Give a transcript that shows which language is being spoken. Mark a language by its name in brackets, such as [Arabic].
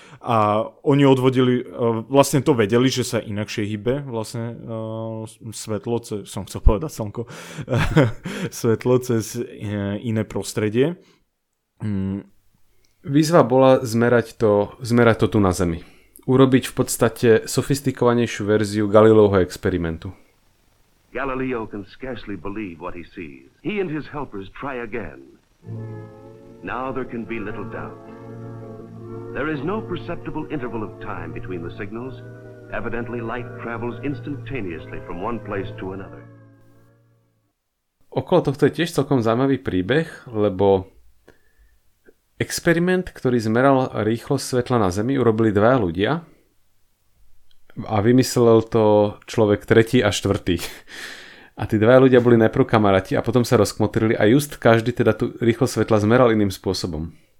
[Slovak] A oni odvodili, vlastne to vedeli, že sa inakšie hýbe vlastne svetlo, som chcel povedať slnko, svetlo cez iné prostredie. Výzva bola zmerať to tu na Zemi. Urobiť v podstate sofistikovanejšiu verziu Galileovho experimentu. [English] Galileo can scarcely believe what he sees. He and his helpers try again. Now there can be little doubt. There is no perceptible interval of time between the signals. Evidently light travels instantaneously from one place to another. [Slovak] Okolo tohto je tiež celkom zaujímavý príbeh, lebo experiment, ktorý zmeral rýchlosť svetla na Zemi, urobili dva ľudia a vymyslel to človek tretí a štvrtý. A tí dva ľudia boli najprv kamaráti a potom sa rozkmotrili a just každý teda tú rýchlosť svetla zmeral iným spôsobom.